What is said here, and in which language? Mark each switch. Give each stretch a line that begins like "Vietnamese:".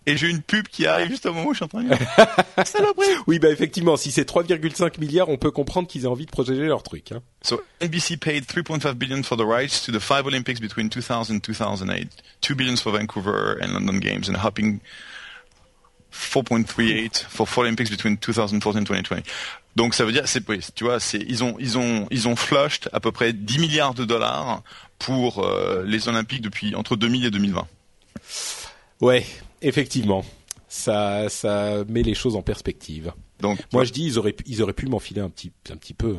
French: Et j'ai une pub qui arrive juste au moment où je suis en train de saloperie. Oui, bah effectivement, si c'est 3,5 milliards, on peut comprendre qu'ils aient envie de protéger leur truc. Hein.
English: So NBC paid 3.5 billion for the rights to the five Olympics between 2000 and 2008, 2 billion for Vancouver and London Games, and a hopping 4.38 for four Olympics between 2014 and 2020.
French: Donc ça veut dire, c'est, tu vois, ils ont
English: flushed
French: à peu près 10 milliards de dollars. Pour les Olympiques depuis entre 2000 et 2020. Ouais, effectivement, ça met les choses en perspective. Donc, moi je dis ils auraient pu m'enfiler un petit peu.